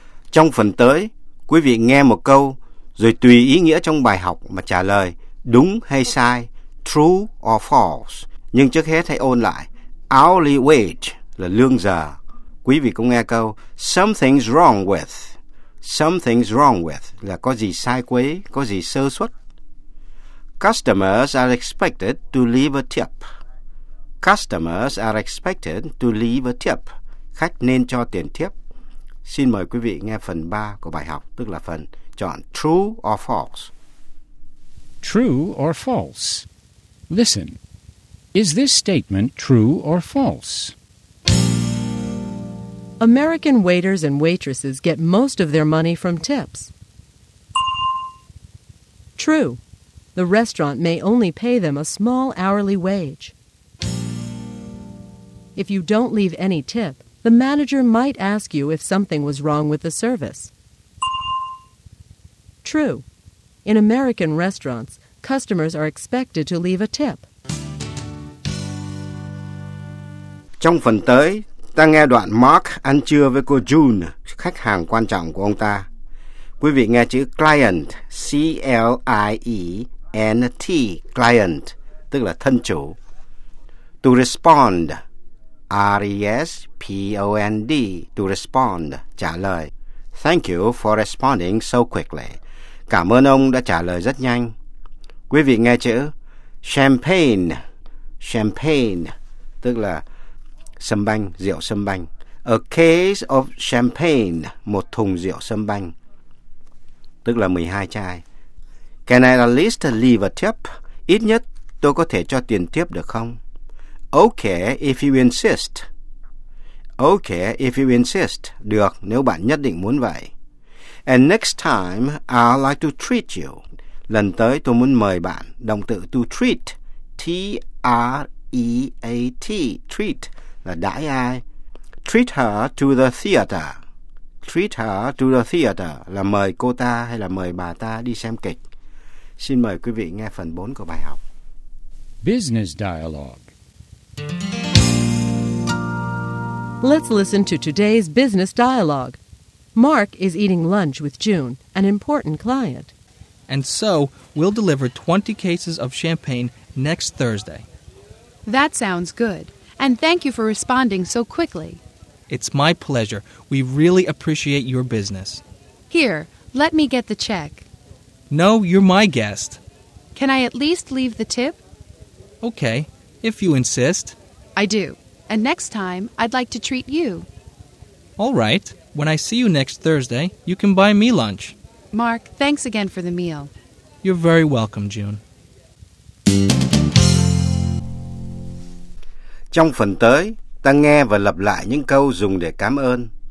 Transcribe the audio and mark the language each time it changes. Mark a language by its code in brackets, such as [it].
[vi] Trong phần tới, quý vị nghe một câu, rồi tùy ý nghĩa trong bài học mà trả lời đúng hay sai, true or false. Nhưng trước hết hãy ôn lại, hourly wage là lương giờ. Quý vị cũng nghe câu, something's wrong with. Something's wrong with là có gì sai quấy, có gì sơ suất. [en] Customers are expected to leave a tip. Customers are expected to leave a tip. [vi] Khách nên cho tiền tip. Xin mời quý vị nghe phần 3 của bài học, tức là phần chọn true or false. [en] True or false? Listen. Is this statement true or false? American waiters and waitresses get most of their money from tips. True. The restaurant may only pay them a small hourly wage. If you don't leave any tip, the manager might ask you if something was wrong with the service. True. In American restaurants, customers are expected to leave a tip. [vi] Trong phần tới, ta nghe đoạn Mark ăn trưa với cô June, khách hàng quan trọng của ông ta. Quý vị nghe chữ client, C-L-I-E-N-T, client, tức là thân chủ. To respond, R-E-S-P-O-N-D, to respond, trả lời. [en] Thank you for responding so quickly. [vi] Cảm ơn ông đã trả lời rất nhanh. Quý vị nghe chữ champagne, champagne, tức là sâm banh, rượu sâm banh. A case of champagne, một thùng rượu sâm banh, tức là 12 chai. [en] Can I at least leave a tip? [vi] Ít nhất tôi có thể cho tiền tip được không? [en] Okay, if you insist. Okay, if you insist. [vi] Được, nếu bạn nhất định muốn vậy. [en] And next time, I'd like to treat you. [vi] Lần tới tôi muốn mời bạn. Động từ to treat, T-R-E-A-T, treat là đãi ai. [en] Treat her to the theater. Treat her to the theater [vi] là mời cô ta hay là mời bà ta đi xem kịch. Xin mời quý vị nghe phần 4 của bài học. [en] Business dialogue. Let's listen to today's business dialogue. Mark is eating lunch with June, an important client. And so, we'll deliver 20 cases of champagne next Thursday. That sounds good. And thank you for responding so quickly. It's my pleasure. We really appreciate your business. Here, let me get the check. No, you're my guest. Can I at least leave the tip? Okay, if you insist. I do. And next time, I'd like to treat you. All right. When I see you next Thursday, you can buy me lunch. Mark, thanks again for the meal. You're very welcome, June. [vi] Trong phần tới, ta nghe và lặp lại những câu dùng để cảm ơn.